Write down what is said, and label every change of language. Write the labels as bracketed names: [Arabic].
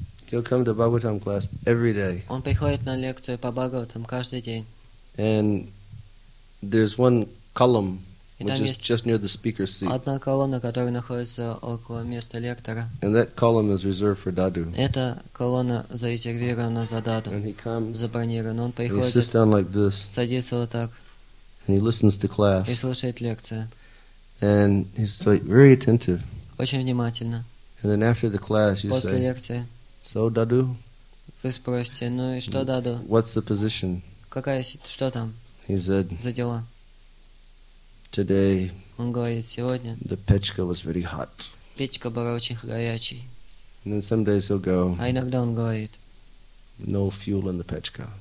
[English] He'll come to Bhagavatam class every day. [Russian] Он приходит на лекцию по Бхагаватам каждый день. [English] And there's one column. Which is just near the speaker's seat. [Russian] Одна колонна, которая находится около места лектора. [English] And that column is reserved for Dadu. [Russian] Эта колонна зарезервирована за Даду. [English] And he comes. [Russian] Забронирован. Он приходит. [English] And he sits down like this. [Russian] Садится вот так. [English] And he listens to class. [Russian] И слушает лекцию. [English] And he's like very attentive. [Russian] Очень внимательно. [English] And then after the class, you [Russian] после [English] say. [Russian] После лекции. [English] So Dadu. [Russian] Вы спросите, ну и что Даду? [English] What's the position? [Russian] Какая что там? [English] He said. [Russian] За дела. [English] Today, [Russian] он говорит, сегодня [English] the печка was very hot. [Russian] Печка была очень горячей. [English] And then some days he'll go. [Russian] А иногда он говорит, [English] no fuel in the печка.